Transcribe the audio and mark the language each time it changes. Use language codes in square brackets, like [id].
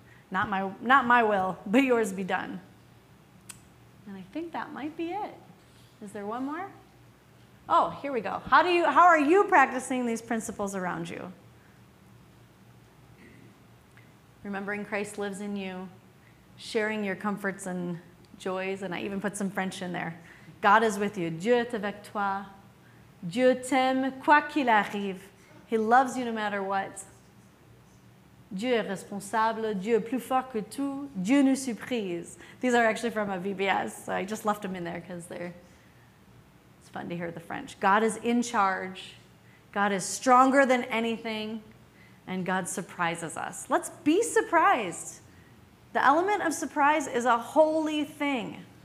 [en] Not my will, but yours be done. And I think that might be it. Is there one more? Oh, here we go. How are you practicing these principles around you? Remembering Christ lives in you, sharing your comforts and joys, and I even put some French in there. God is with you. [fr] Dieu est avec toi. Dieu t'aime quoi qu'il arrive. [en] He loves you no matter what. [fr] Dieu est responsable, Dieu est plus fort que tout, Dieu nous surprise. [en] These are actually from a VBS, so I just left them in there because it's fun to hear the French. God is in charge, God is stronger than anything, and God surprises us. Let's be surprised. The element of surprise is a holy thing.